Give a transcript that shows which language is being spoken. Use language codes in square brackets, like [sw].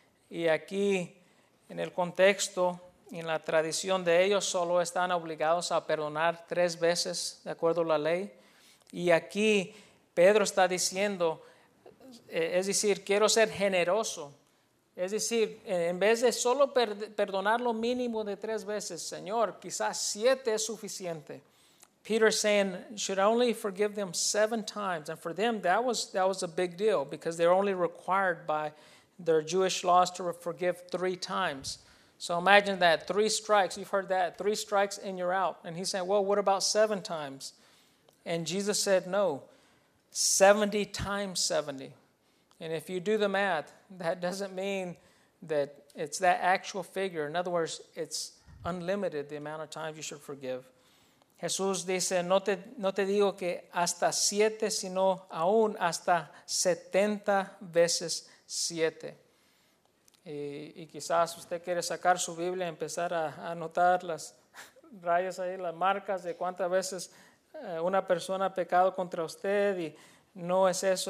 [es] Y aquí en el contexto, en la tradición de ellos, solo están obligados a perdonar tres veces de acuerdo a la ley. Y aquí Pedro está diciendo, es decir, quiero ser generoso. Es decir, en vez de solo perdonar lo mínimo de tres veces, Señor, quizás siete es suficiente. [en] Peter saying, should I only forgive them seven times? And for them, that was a big deal because they're only required by their Jewish laws to forgive three times. So imagine that, three strikes. You've heard that, three strikes and you're out. And he's saying, well, what about seven times? And Jesus said, no, 70 times 70. And if you do the math, that doesn't mean that it's that actual figure. In other words, it's unlimited the amount of times you should forgive. [es] Jesús dice, no te digo que hasta siete, sino aún hasta 70 veces siete. Y quizás usted quiere sacar su Biblia y empezar a anotar las rayas ahí, las marcas de cuántas veces una persona ha pecado contra usted. Y no es eso.